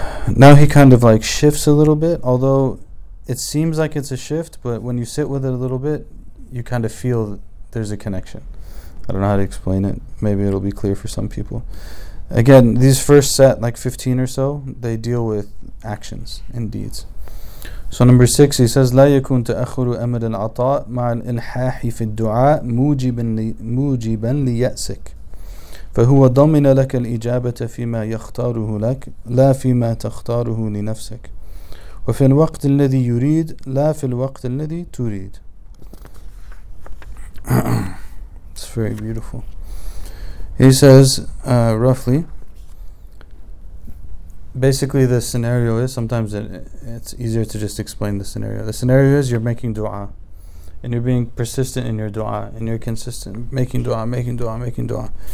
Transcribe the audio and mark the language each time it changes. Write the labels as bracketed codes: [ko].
[en] Now he kind of like shifts a little bit, although it seems like it's a shift, but when you sit with it a little bit, you kind of feel there's a connection. I don't know how to explain it. Maybe it'll be clear for some people. Again, these first set, like 15 or so, they deal with actions and deeds. So number 6, he says, [ar] لا يكون تأخر أمد العطاء مع الإلحاح في الدعاء موجبا ليأسك فهو ضمن لك الإجابة فيما يختاره لك لا فيما تختاره لنفسك وفي الوقت الذي يريد لا في الوقت الذي تريد. [en] It's very beautiful. He says, roughly, basically the scenario is, sometimes it's easier to just explain the scenario. The scenario is you're making dua. and you're being persistent in your dua, and you're consistent, making dua, making dua, making dua.